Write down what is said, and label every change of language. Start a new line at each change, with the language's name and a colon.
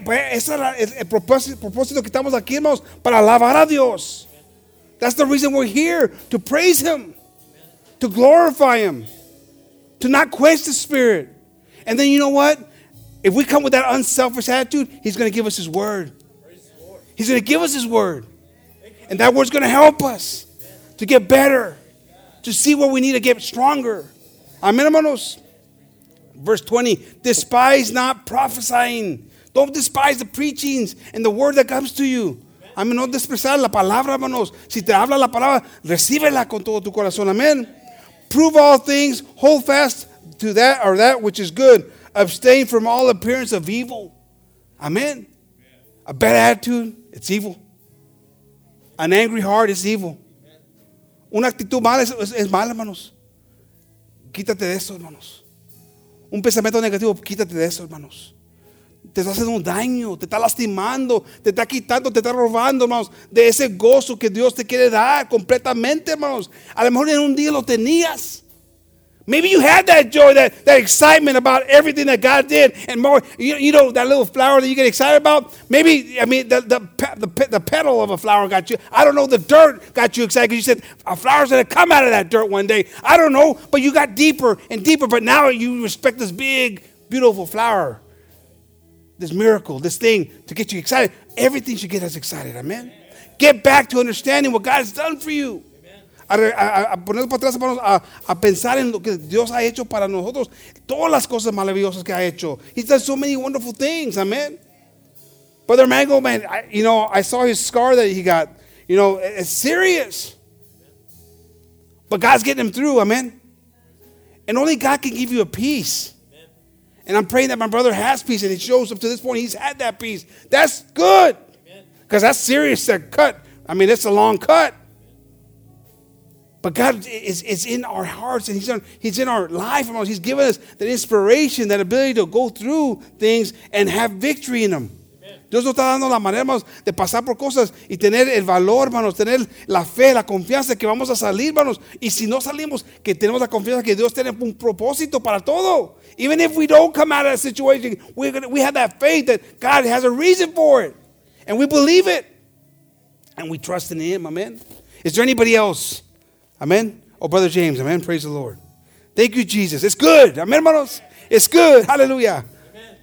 Spanish: Pues ese es el propósito que estamos aquí, hermanos, para alabar a Dios.
English: That's the reason we're here, to praise him, Amen. To glorify him, to not quench the spirit. And then you know what? If we come with that unselfish attitude, he's going to give us his word. He's going to give us his word. And that word's going to help us to get better, to see where we need to get stronger. Amen, hermanos. Verse 20, despise not prophesying. Don't despise the preachings and the word that comes to you.
Spanish: Amen, no despreciar la palabra, hermanos. Si te habla la palabra, recíbela con todo tu corazón. Amen.
English: Prove all things, hold fast to that or that which is good. Abstain from all appearance of evil. Amen. A bad attitude, it's evil. An angry heart is evil.
Spanish: Una actitud mala es mala, hermanos. Quítate de eso, hermanos. Un pensamiento negativo, quítate de eso, hermanos. Te está haciendo un daño, te está lastimando, te está quitando, te está robando, hermanos, de ese gozo que Dios te quiere dar completamente, hermanos. A lo mejor en un día lo tenías.
English: Maybe you had that joy, that excitement about everything that God did. And more, you know, that little flower that you get excited about. Maybe, I mean, the petal of a flower got you. I don't know, the dirt got you excited because you said, a flower's going to come out of that dirt one day. I don't know, but you got deeper and deeper. But now you respect this big, beautiful flower, this miracle, this thing to get you excited. Everything should get us excited, amen? Get back to understanding what God has done for you.
Spanish: A poner para atrás, hermanos, a pensar en lo que Dios ha hecho para nosotros. Todas las cosas maravillosas que ha hecho.
English: He's done so many wonderful things, amen. Brother Mango, man, I saw his scar that he got. You know, it's serious. But God's getting him through, amen. And only God can give you a peace. And I'm praying that my brother has peace, and it shows up to this point he's had that peace. That's good. Because that's serious, that cut. I mean, it's a long cut. But God is in our hearts and he's in our life. He's given us that inspiration, that ability to go through things and have victory in them.
Spanish: Dios nos está dando la manera, hermanos, de pasar por cosas y tener el valor, hermanos, tener la fe, la confianza que vamos a salir, hermanos. Y si no salimos, que tenemos la confianza que Dios tiene un propósito para todo.
English: Even if we don't come out of that situation, we have that faith that God has a reason for it. And we believe it. And we trust in him, amen. Is there anybody else? Amen. Oh, Brother James, amen. Praise the Lord. Thank you, Jesus. It's good. Amen, hermanos. It's good. Hallelujah. Amen.